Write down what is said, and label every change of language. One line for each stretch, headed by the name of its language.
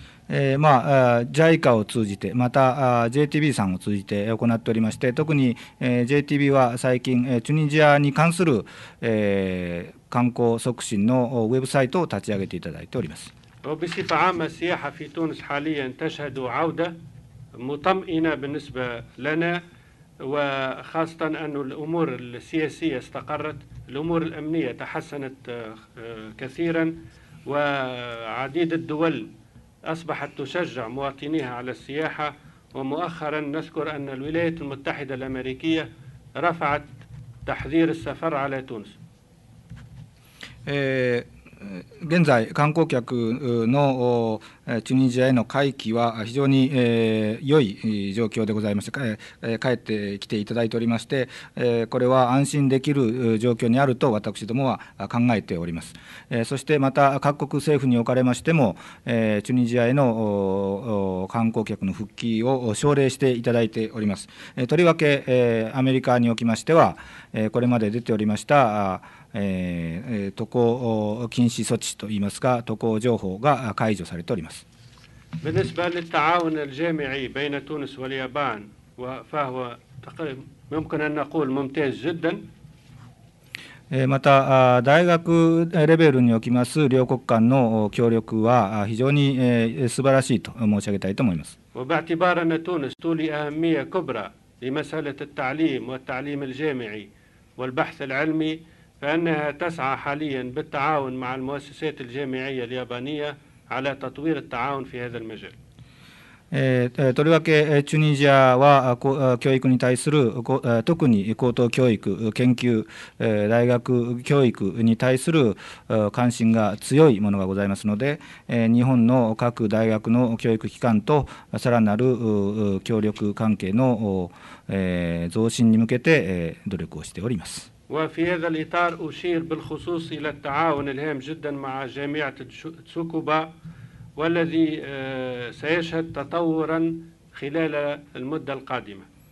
Japanese: JICA を通じて、また JTB さんを通じて行っておりまして、特に JTB は最近、チュニジアに関する観光促進のウェブサイトを立ち上げていただいております。
Arabic: وبصفة عامة السياحة في تونس حاليا تشهد عودة مطمئنة بالنسبة لنا وخاصة أن الأمور السياسية استقرت الأمور الأمنية تحسنت كثيرا وعديد الدول أصبحت تشجع مواطنيها على السياحة ومؤخرا نذكر أن الولايات المتحدة الأمريكية رفعت تحذير السفر على تونس
Japanese: 現在観光客のチュニジアへの回帰は非常に良い状況でございまして、帰ってきていただいておりまして、これは安心できる状況にあると私どもは考えております。そしてまた各国政府におかれましても、チュニジアへの観光客の復帰を奨励していただいております。とりわけアメリカにおきましては、これまで出ておりました渡航禁止措置といいますか、渡航情報が解除されております。
Arabic: بالنسبة للتعاون الجامعي بين تونس واليابان فهو يمكن أن نقول ممتاز جدا。
Japanese: また大学レベルにおきます両国間の協力は非常に素晴らしいと申し上げたいと思います。
Arabic: وباعتبار أن تونس تولي أهمية كبرى لمسألة التعليم والتعليم الجامعي والبحث العلمي。 فأنها تسعى حاليا بالتعاون مع المؤسسات الجامعية اليابانية على تطوير التعاون في هذا المجال.
Japanese: とりわけチュニジアは教育に対する特に高等教育研究大学教育に対する関心が強いものがございますので、日本の各大学の教育機関とさらなる協力関係の増進に向けて努力をしております。
Arabic: وفي هذا الإطار أشير بالخصوص إلى التعاون الهام جدا مع جامعة تسوكوبا والذي سيشهد تطورا خلال المدة القادمة.